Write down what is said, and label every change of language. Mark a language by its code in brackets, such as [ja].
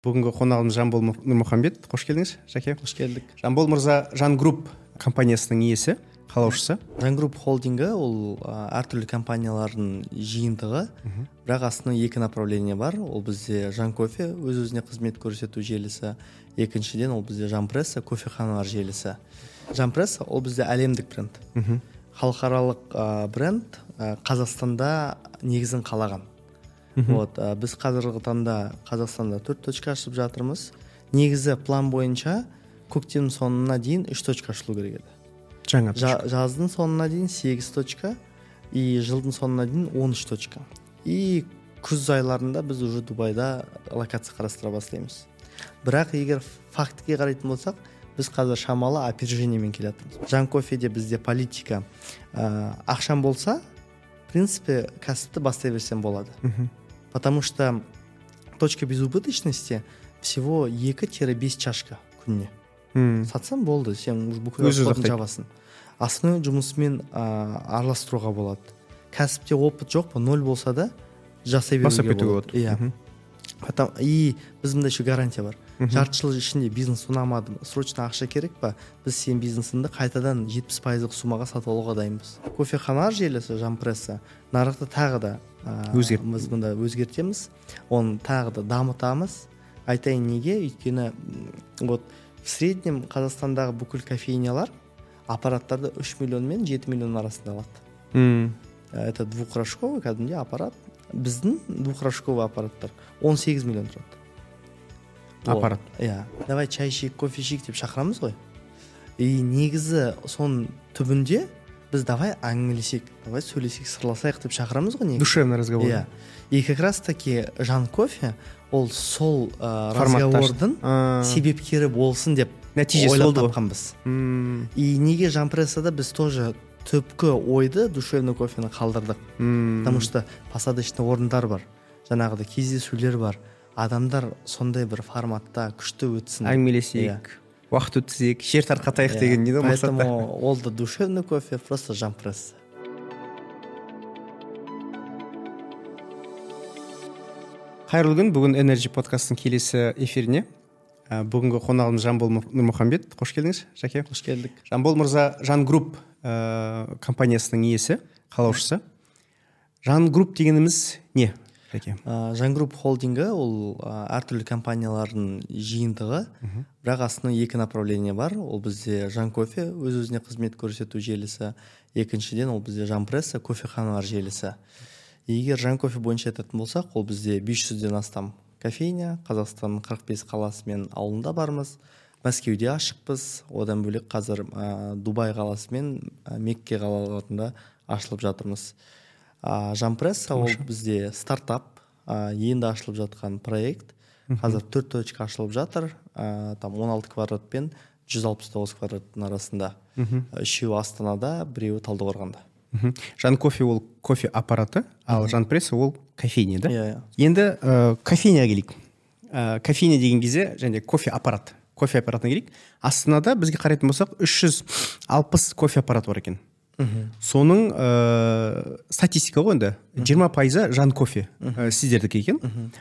[kk] Бүгінгі қонағымыз Жанбол Нұрмұхамбет. Қош келдіңіз, жәке. Қош келдік. Жанбол мырза Жан Груп компаниясының иесі, қалаушысы. Жан Груп холдингі ол әртүрлі компаниялардың жиынтығы, бірақ астында екі направление бар. Ол бізде Жан Кофе, өз-өзіне қызмет көрсету желісі. Екіншіден ол бізде Жан Пресса, кофеханалар желісі. Жан Пресса ол бізде әлемдік бренд. Халықаралық бренд, Қазақстанда негізін қалаған. Вот, біз қазіргі таңда Қазақстанда 4 точка ашып жатырмыз. Негізі план бойынша көктем соңына дейін 3 точка ашылу керек еді. Жаңа точка. Жаздың соңына дейін 8 точка, и жылдың соңына дейін 13 точка. И күз айларында біз уже Дубайда локация қарастыра бастаймыз. Бірақ егер фактіге қарайтын болсақ, біз қазір шамалы опережениемен келатырмыз. Жан кофеде бізде политика ақшам болса, в принципе, кәсіпті бастай берсем болады. [ru] Потому что точка безубыточности всего 2-5 чашка [kk] күніне. Сатсам болды, сен бүкіл расходын жабасың. Асыны жұмысымен араластыруға болады. Кәсіпте опыт жоқ, ноль болса да жасай беруге болады. И бізімде еще гарантия бар. Жарты жыл ішінде бизнес ұнамады, срочно ақша керек па? Біз сен бизнесіңді қайтадан 70% сумаға сатып алуға дайынбыз. Кофехана желісі, Жан Пресса, нарықты тағы да біз мұнда өзгертеміз. Оны тағы да дамытамыз. Айтайын неге? Өйткені [ru] вот в среднем [kk] Қазақстандағы бүкіл кофейнялар аппараттарды 3 миллион мен 7 миллион арасында алады. [ru] Это двухрожковый, [kk] кәдімгі аппарат. Біздің двухрожковый аппараттар 18 миллион тұрады. Аппарат. Иә. Давай чай ішейік, кофе ішейік деп шақырамыз ғой. И негізі соның түбінде біз [ru] давай [kk] әңгімелесек, давай сөйлесек, сырласайық деп шақырамыз ғой негізі. [ru] Душевный разговор. [kk] Иә. [ru] И как раз таки [kk] Жан Кофе ол сол разговордың себепкері болсын деп ойлап тапқанбыз. И неге Жан Прессада біз тоже түпкі ойды душевный кофені қалдырдық. Потому что посадочный орындар бар, жаңағыдай кездесулер бар. Адамдар сондай бір форматта күшті өтсін. Әңгімелесейік, уақыт өткізейік, жер тарқатайық деген дейді мақсатта. Поэтому ол да душевный кофе, просто Жан Пресса. Қайырлы күн, бүгін Energy подкастының келесі эфиріне. Бүгінгі қонағым Жанбол Нұрмұхамбет. Қош келдіңіз, жәке. Қош келдік. Жанбол мырза Жан Груп компаниясының иесі, қалаушысы. Жан Груп дегеніміз не? Жан Груп холдингі ол әртүрлі компаниялардың жиынтығы, бірақ астында екі направление бар. Ол бізде Жан Кофе, өз-өзіне қызмет көрсету желісі. Екіншіден ол бізде Жан Пресса, кофеханалар желісі. Егер Жан Кофе бойынша айтатын болсақ, ол бізде 500-ден астам кофейня, Қазақстанның 45 қаласы мен ауылында бармыз. Мәскеуде ашықпыз, одан бөлек қазір Дубай қаласы мен Мекке қалаларында ашылып жатырмыз. Жан Пресса ол бізде стартап, енді ашылып жатқан проект. Қазір 4 точка ашылып жатыр. Там 16 квадрат пен 169 квадраттың арасында. Үшеуі Астанада, біреуі Талдықорғанда. Жан Кофе ол кофе аппараты, ал Жан Пресса ол кофейня, да? Иә. Енді кофейняға келейік. Кофейня деген кезде және кофе аппарат. Кофе аппаратына келейік. Астанада бізге қарайтын болсақ 360 кофе аппараты бар екен. Соның статистика ғой, 20% Жан Кофе сіздердікі екен.